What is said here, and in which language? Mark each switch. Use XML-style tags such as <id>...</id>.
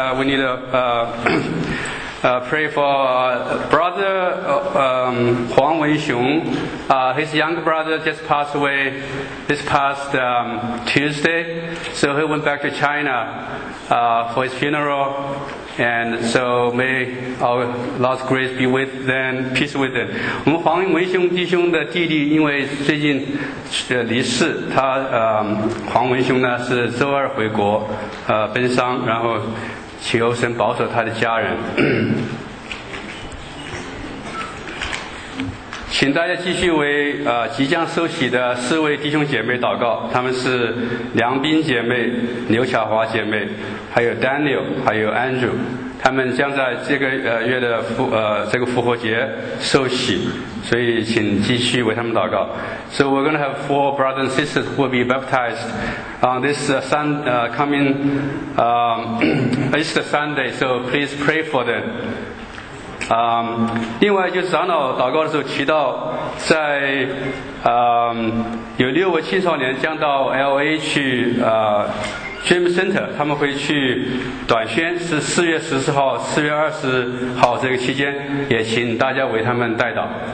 <en>We need a pray for brother Huang Wenxiong. His younger brother just passed away this past Tuesday, so he went back to China for his funeral. And so may our Lord's grace be with them, peace with them.</en> <zh>我们黄文雄弟兄的弟弟因为最近离世，他黄文雄呢是周二回国奔丧，然后求神保守他的家人。请大家继续为即将受洗的四位弟兄姐妹祷告，他们是梁斌姐妹、刘巧华姐妹，还有 Daniel， 还有 Andrew， 他们将在这个月的这个复活节受洗，所以请继续为他们祷告。</zh> <en>So we're going to have four brothers and sisters who will be baptized on this coming Easter Sunday. So please pray for them.</en> <zh>另外就是长老祷告的时候提到，在有六位青少年将到 LA 去Dream Center， 他们会去短宣，是四月十四号、四月二十号这个期间，也请大家为他们代祷。</zh>